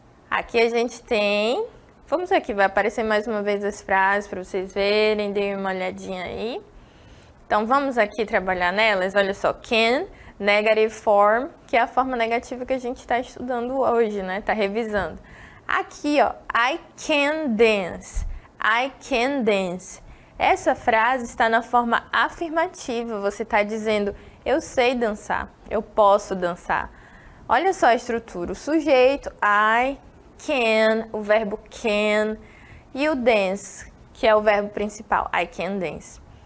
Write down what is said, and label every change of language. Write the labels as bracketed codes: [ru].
[pt] Aqui a gente tem... Vamos aqui, vai aparecer mais uma vez as frases para vocês verem, deem uma olhadinha aí. Então vamos aqui trabalhar nelas, olha só, can, negative form, que é a forma negativa que a gente está estudando hoje, né? Está revisando. Aqui, ó, [en] I can dance, I can dance. [pt] Essa frase está na forma afirmativa, você está dizendo, eu sei dançar, eu posso dançar. Olha só a estrutura, o sujeito, I can, o verbo can, e o dance, que é o verbo principal, I can dance.